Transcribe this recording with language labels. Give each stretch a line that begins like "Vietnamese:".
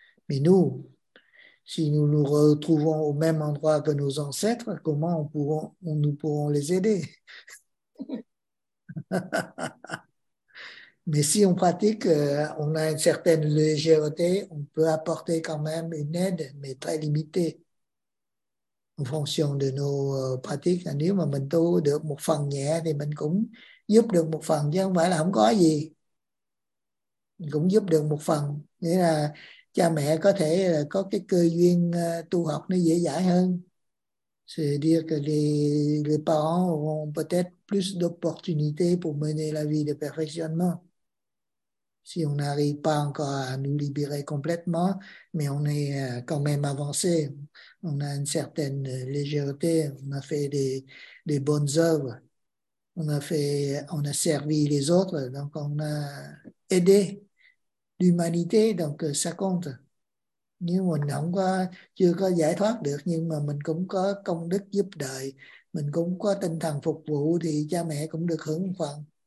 French: Mais nous, si nous nous retrouvons au même endroit que nos ancêtres, comment nous pourrons les aider? Mais si on pratique, on a une certaine légèreté, on peut apporter quand même une aide, mais très limitée, en fonction de nos pratiques.
Vietnamese: Nếu mà mình tu được một phần nhẹ thì mình cũng giúp được một phần, chứ không phải là không có gì. Mình cũng giúp được một phần, nghĩa là cha mẹ có thể là có cái cơ duyên tu học nó dễ dãi hơn.
French: C'est-à-dire que les parents auront peut-être plus d'opportunités pour mener la vie de perfectionnement. Si on n'arrive pas encore à nous libérer complètement, mais on est quand même avancé, on a une certaine légèreté, on a fait des bonnes œuvres, on a servi les autres, donc on a aidé l'humanité, donc ça compte.
Vietnamese: Nhưng mình không có, chưa có giải thoát được, nhưng mà mình cũng có công đức giúp đời, mình cũng có tinh thần phục vụ, thì cha mẹ cũng được hưởng một phần.